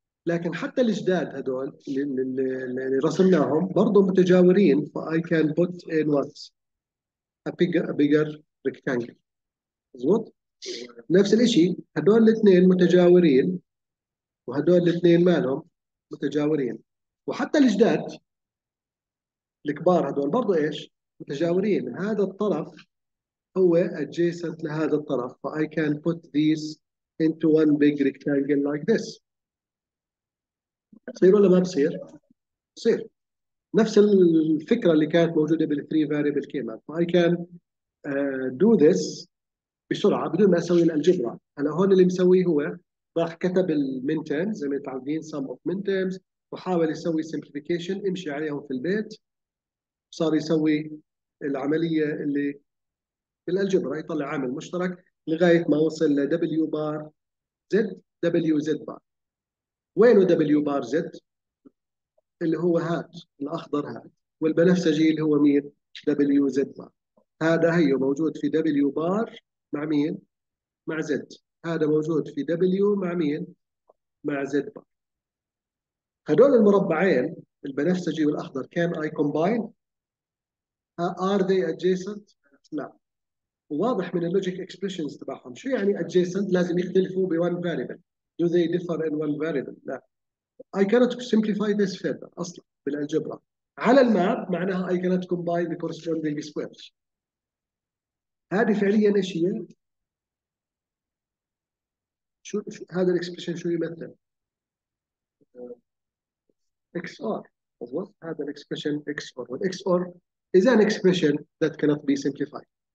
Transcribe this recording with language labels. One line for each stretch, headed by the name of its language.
Arabic: لكن حتى الجداد هذول اللي رسمناهم برضه متجاورين،
English: فاي can put in once A bigger rectangle.
Arabic: مضبوط؟ نفس الشيء هدول الاثنين متجاورين وهدول الاثنين مالهم؟ متجاورين. وحتى الجداد الكبار هدول برضو ايش؟ متجاورين. هذا الطرف هو adjacent لهذا الطرف، ف
English: I can put these into one big rectangle like this.
Arabic: تصير ولا ما بصير؟ تصير. نفس الفكره اللي كانت موجوده بال 3 variable كي ماب،
English: I can do this
Arabic: بسرعه بدون ما اسوي الالجبرا. انا هون اللي مسويه هو راح كتب المين تيرمز زي ما متعودين سم اوف مين تيرمز، وحاول يسوي سمبليفيكيشن امشي عليهم في البيت، صار يسوي العمليه اللي بالالجبرا يطلع عامل مشترك لغايه ما وصل ل دبليو بار زد دبليو زد بار. وين دبليو بار زد؟ اللي هو هاد الاخضر هاد، والبنفسجي اللي هو مين؟ دبليو زد بار. هذا هيو موجود في دبليو بار مع مين؟ مع زد. هذا موجود في دبليو مع مين؟ مع زد بار. هذول المربعين البنفسجي والاخضر
English: Can I combine? Are they adjacent?
Arabic: لا. واضح من اللوجيك اكسبريشنز تبعهم، شو يعني ادجيسنت؟ لازم يختلفوا ب 1 فاريبل.
English: Do they differ in 1 variable? لا. I cannot simplify this further
Arabic: اصلا بالالجبرا. على الماب معناها
English: I cannot combine the corresponding squares.
Arabic: هذه فعليا ايش هي؟ شو هذا الاكسبريشن شو يمثل؟ اكس اور، مضبوط؟ هذا الاكسبريشن اكس اور، والاكس اور
English: is an expression that cannot be simplified.